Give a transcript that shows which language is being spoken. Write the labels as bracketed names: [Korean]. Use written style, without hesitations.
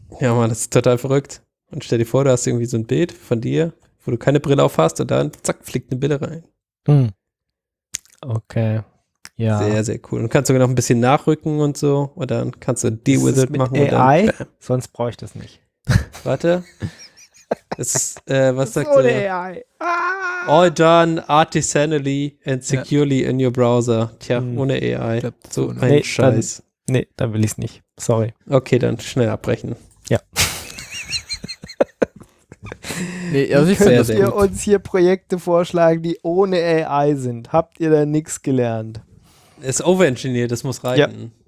[German] Ja, Mann, das ist total verrückt. Und stell dir vor, du hast irgendwie so ein Bild von dir, wo du keine Brille auf hast und dann, zack, fliegt eine Brille rein. Hm. Okay. Ja. Sehr, sehr cool. Und kannst sogar noch ein bisschen nachrücken und so. Und dann kannst du Deal with it machen. Mit und AI? Dann, sonst brauche ich das nicht. Warte. Es ist, was sagt der? AI. Ah. [English] All done artisanally and securely in your browser. [German] Tja, ohne AI. Ich glaub, so ohne. Ein Scheiß. Dann will ich es nicht. Sorry. Okay, dann schnell abbrechen. Ja. Könnt ihr uns hier Projekte vorschlagen, die ohne AI sind? Habt ihr da nichts gelernt? Ist overengineered, das muss reichen.